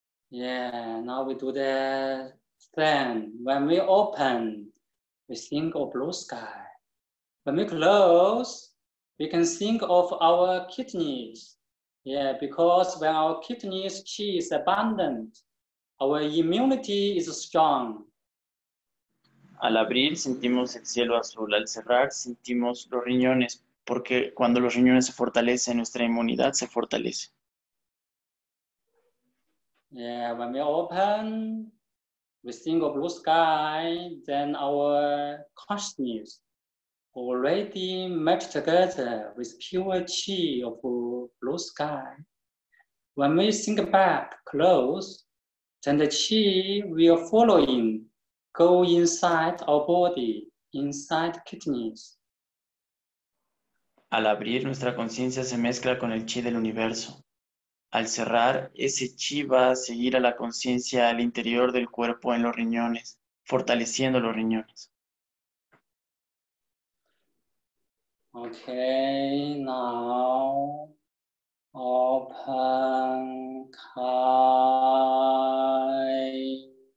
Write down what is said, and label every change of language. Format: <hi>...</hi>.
<en>Yeah, now we do the stand. When we open, we think of blue sky. When we close, we can think of our kidneys. Yeah, because when our kidneys' qi is abundant, our immunity is strong.</en> <es>Al abrir, sentimos el cielo azul. Al cerrar, sentimos los riñones, porque cuando los riñones se fortalecen, nuestra inmunidad se fortalece.</es> <en>Yeah, when we open, we think of blue sky, then our consciousness already met together with pure chi of blue sky. When we think back close, then the chi will follow in, go inside our body, inside kidneys.</en> <es>Al abrir, nuestra conciencia se mezcla con el chi del universo. Al cerrar, ese chi va a seguir a la conciencia al interior del cuerpo en los riñones, fortaleciendo los riñones.</es> <en>Okay, now open Kai.</en>